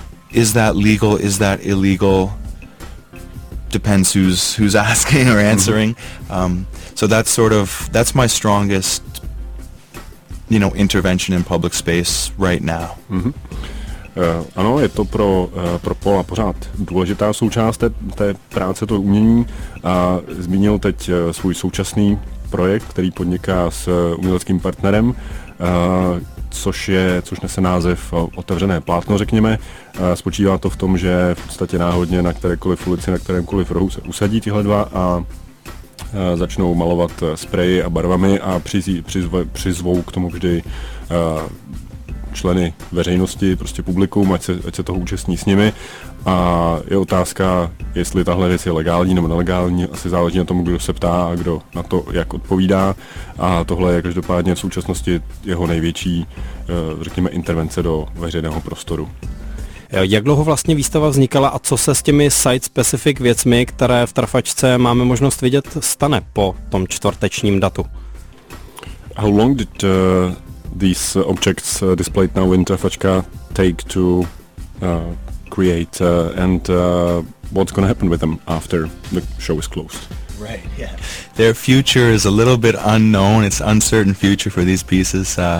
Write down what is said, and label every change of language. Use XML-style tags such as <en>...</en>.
<en>Is that legal? Is that illegal? Depends who's asking or answering. So that's my strongest, you know, intervention in public space right now. Mm-hmm.</en> <cs>Ano, je to pro Paula pořád důležitá součást té práce, to umění. A zmínil teď svůj současný projekt, který podniká s uměleckým partnerem. Což nese název otevřené plátno, řekněme. Spočívá to v tom, že v podstatě náhodně na kterékoliv ulici, na kterémkoliv rohu se usadí tyhle dva a začnou malovat spreji a barvami a přizvou k tomu vždy členy veřejnosti, prostě publikum, ať se toho účastní s nimi. A je otázka, jestli tahle věc je legální nebo nelegální, asi záleží na tom, kdo se ptá a kdo na to jak odpovídá. A tohle je každopádně v současnosti jeho největší, řekněme, intervence do veřejného prostoru. Jak dlouho vlastně výstava vznikala a co se s těmi site-specific věcmi, které v Trafačce máme možnost vidět, stane po tom čtvrtečním datu?</cs> <en>How long did these objects displayed now in Trafačka take to create what's going to happen with them after the show is closed? Right, yeah. Their future is a little bit unknown. It's uncertain future for these pieces.</en>